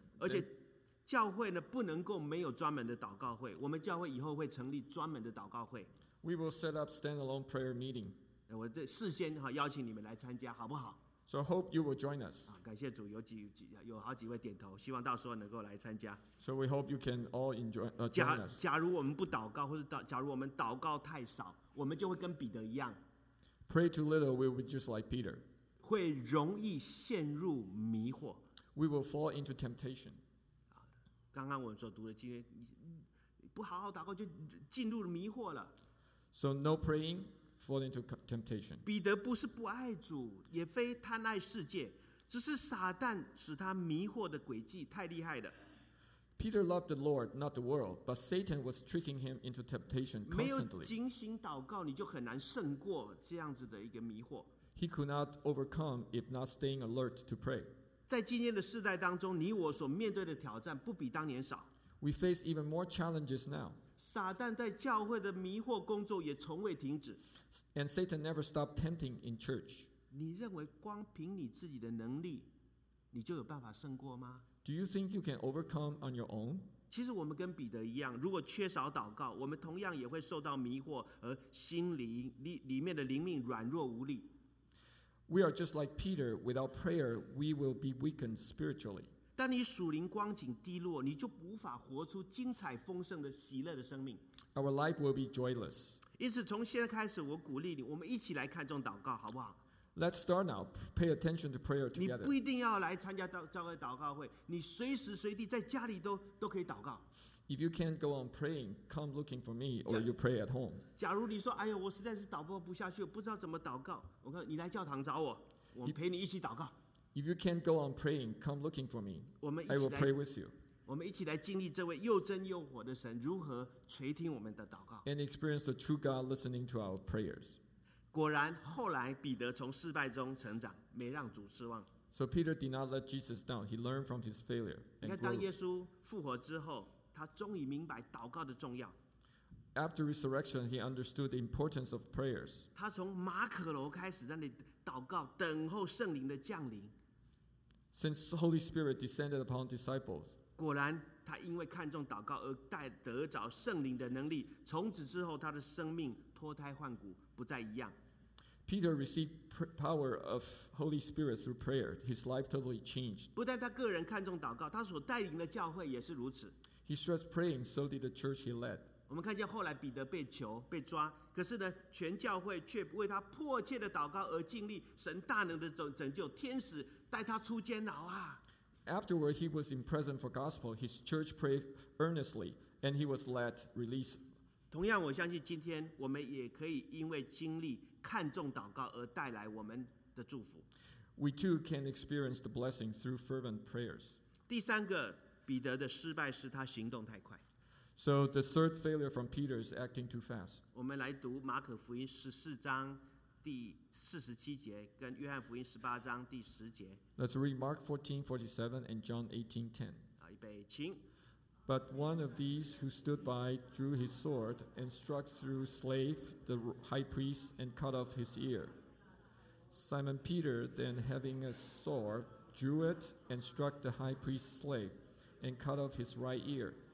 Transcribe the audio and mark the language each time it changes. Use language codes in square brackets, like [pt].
[zh] 而且教会呢，不能够没有专门的祷告会。我们教会以后会成立专门的祷告会。 [en] We will set up standalone prayer meeting. [zh] 我这事先哈邀请你们来参加，好不好？ [en] So I hope you will join us. [zh] 感谢主，有好几位点头，希望到时候能够来参加。 [en] So we hope you can all join us. [zh] 假如我们不祷告，或者假如我们祷告太少，我们就会跟彼得一样。 [en] Pray too little, we will be just like Peter. [zh] 会容易陷入迷惑。 [en] We will fall into temptation. [zh] 刚刚我们所读的经文，不好好祷告就进入迷惑了。 [en] So no praying. Fall into temptation. [zh] 彼得不是不爱主，也非贪爱世界，只是撒旦使他迷惑的诡计太厉害了。 [en] Peter loved the Lord, not the world, but Satan was tricking him into temptation constantly. [zh] 没有警醒祷告，你就很难胜过这样子的一个迷惑。 [en] He could not overcome if not staying alert to pray. [zh] 在今天的世代当中，你我所面对的挑战不比当年少。 [en] We face even more challenges now. [zh] 撒旦在教会的迷惑工作也从未停止。 [en] And Satan never stopped tempting in church. [zh] 你认为光凭你自己的能力，你就有办法胜过吗？ [en] Do you think you can overcome on your own? [zh] 其实我们跟彼得一样，如果缺少祷告，我们同样也会受到迷惑，而心灵里面的灵命软弱无力。 [en] We are just like Peter. Without prayer, we will be weakened spiritually. [zh] 当你属灵光景低落，你就无法活出精彩丰盛的喜乐的生命。 [en] Our life will be joyless. [zh] 因此，从现在开始，我鼓励你，我们一起来看重祷告，好不好？ [en] Let's start now. Pay attention to prayer together. [zh] 你不一定要来参加教会祷告会，你随时随地在家里都可以祷告。 [en] If you can't go on praying, come looking for me, or you pray at home. [zh] 假如你说，哎呀，我实在是祷告不下去，我不知道怎么祷告，我看你来教堂找我，我陪你一起祷告。 [en] If you can't go on praying, come looking for me. [zh] 我们一起来 [en] I will pray with you. [zh] 我们一起来经历这位又真又活的神如何垂听我们的祷告。 [en] And experience the true God listening to our prayers. [zh] 果然，后来彼得从失败中成长，没让主失望。 [en] So Peter did not let Jesus down. He learned from his failure. [zh] 你看，当耶稣复活之后，他终于明白祷告的重要。 [en] After resurrection, he understood the importance of prayers. [zh] 他从马可楼开始在那里祷告，等候圣灵的降临。 [en] Since Holy Spirit descended upon disciples. [zh] 果然，他因为看重祷告而得着圣灵的能力。从此之后，他的生命脱胎换骨。不再一样。 [en] Peter received power of Holy Spirit through prayer. His life totally changed. [zh] 不但他个人看重祷告，他所带领的教会也是如此。 [en] He stressed praying, so did the church he led. [zh] 我们看见后来彼得被囚被抓，可是呢，全教会却为他迫切的祷告而经历神大能的拯救，天使带他出监牢啊。 [en] Afterward, he was in prison for gospel. His church prayed earnestly, and he was let release. [zh] 同样，我相信今天我们也可以因为经历看重祷告而带来我们的祝福。 [en] We too can experience the blessing through fervent prayers. [zh] 第三个，彼得的失败是他行动太快。 [en] So the third failure from Peter is acting too fast. [zh] 我们来读马可福音十四章第四十七节，跟约翰福音十八章第十节。 [en] Let's read Mark 14:47 and John 18:10. [zh] 好，预备，请。 [en] But one of these who stood by drew his sword and struck through slave the high priest and cut off his ear. Simon Peter then having a sword drew it and struck the high priest's slave and cut off his right ear.